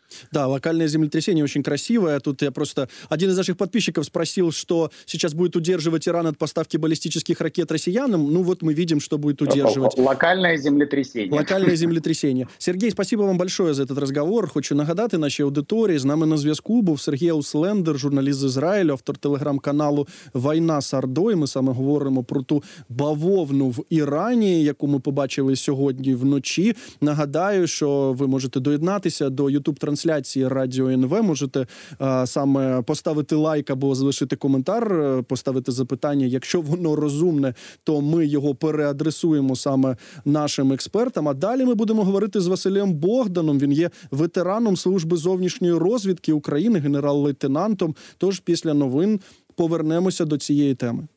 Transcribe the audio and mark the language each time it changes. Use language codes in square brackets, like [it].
[ru] Да, локальное землетрясение очень красивое. Тут я просто... Один из наших подписчиков спросил, что сейчас будет удерживать Иран от поставки баллистических ракет россиянам. Ну вот мы видим, что будет удерживать. Локальное землетрясение. Локальное землетрясение. Сергей, спасибо вам большое за этот разговор. Хочу нагадать нашей аудитории. С нами на связку был Сергей Услендер, журналист из Израиля, автор телеграм-каналу «Война с Ордой». [uk] Мы саме говорим про ту бавовну в Иране, яку мы побачили сьогодні вночі. Нагадаю, що ви можете доєднатися до YouTube трансляції Радіо НВ. Можете саме поставити лайк або залишити коментар, поставити запитання. Якщо воно розумне, то ми його переадресуємо саме нашим експертам. А далі ми будемо говорити з Василем Богданом. Він є ветераном Служби зовнішньої розвідки України, генерал-лейтенантом. Тож після новин повернемося до цієї теми.